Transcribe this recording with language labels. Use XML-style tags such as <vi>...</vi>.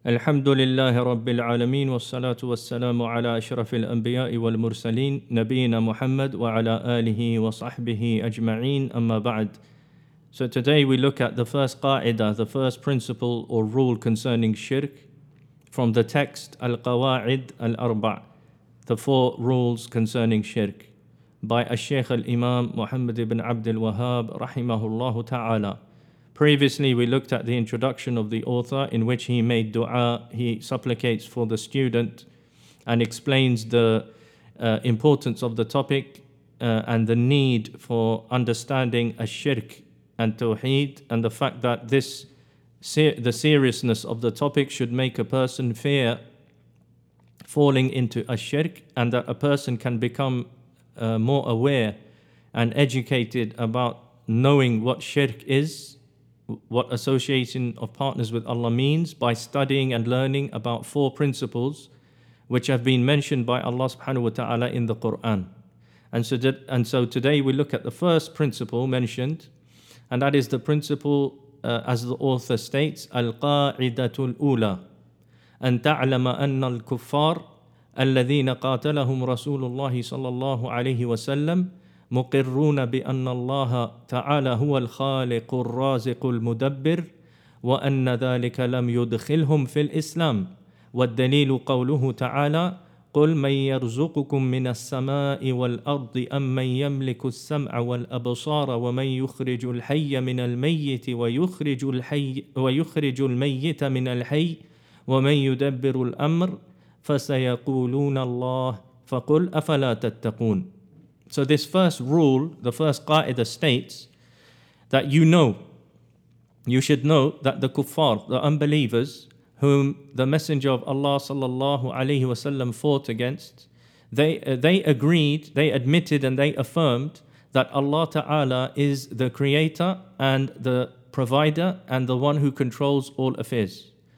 <ar>الحمد لله رب العالمين والصلاة والسلام على أشرف الأنبياء والمرسلين نبينا محمد وعلى آله وصحبه أجمعين أما بعد.</ar> <en>So today we look at the first qaida, the first principle or rule concerning shirk from the text Al-Qawa'id Al-Arba', the four rules concerning shirk by الشيخ الإمام محمد بن عبد الوهاب</en> <ar>رحمه الله تعالى.</ar> <en>Previously, we looked at the introduction of the author in which he made dua, he supplicates for the student and explains the importance of the topic and the need for understanding ash-shirk and tawheed and the fact that this the seriousness of the topic should make a person fear falling into ash-shirk and that a person can become more aware and educated about knowing what shirk is, what association of partners with Allah means by studying and learning about four principles which have been mentioned by Allah subhanahu wa ta'ala in the Quran. And so today we look at the first principle mentioned, and that is the principle as the author states, Al-Qa'idatul Ula,</en> <ar>أن تعلم أن الكفار الذين قاتلهم رسول الله صلى الله عليه وسلم مقرون بأن الله تعالى هو الخالق الرازق المدبر وأن ذلك لم يدخلهم في الإسلام والدليل قوله تعالى قل من يرزقكم من السماء والأرض أم من يملك السمع والأبصار ومن يخرج الحي من الميت ويخرج الميت من الحي ومن يدبر الأمر فسيقولون الله فقل أفلا تتقون.</ar> <en>So this first rule, the first qa'idah states that you should know that the kuffar, the unbelievers, whom the Messenger of Allah sallallahu alayhi wasallam fought against, they admitted and they affirmed that Allah Ta'ala is the creator and the provider and the one who controls all affairs.</en>